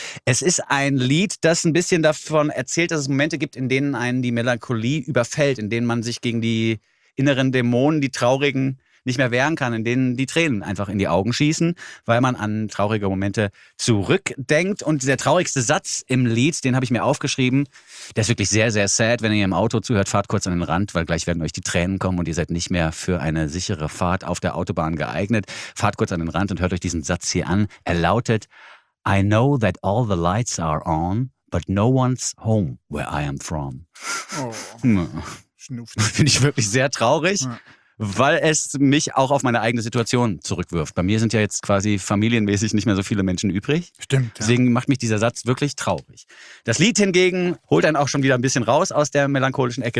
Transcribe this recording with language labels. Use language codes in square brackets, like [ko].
[de] Es ist ein Lied, das ein bisschen davon erzählt, dass es Momente gibt, in denen einen die Melancholie überfällt, in denen man sich gegen die inneren Dämonen, die Traurigen, nicht mehr wehren kann, in denen die Tränen einfach in die Augen schießen, weil man an traurige Momente zurückdenkt. Und der traurigste Satz im Lied, den habe ich mir aufgeschrieben, der ist wirklich sehr, sehr sad. Wenn ihr im Auto zuhört, fahrt kurz an den Rand, weil gleich werden euch die Tränen kommen und ihr seid nicht mehr für eine sichere Fahrt auf der Autobahn geeignet. Fahrt kurz an den Rand und hört euch diesen Satz hier an. Er lautet: [en] I know that all the lights are on, but no one's home where I am from. Oh. [de] Finde ich wirklich sehr traurig. Ja. Weil es mich auch auf meine eigene Situation zurückwirft. Bei mir sind ja jetzt quasi familienmäßig nicht mehr so viele Menschen übrig. Stimmt. Ja. Deswegen macht mich dieser Satz wirklich traurig. Das Lied hingegen holt einen auch schon wieder ein bisschen raus aus der melancholischen Ecke.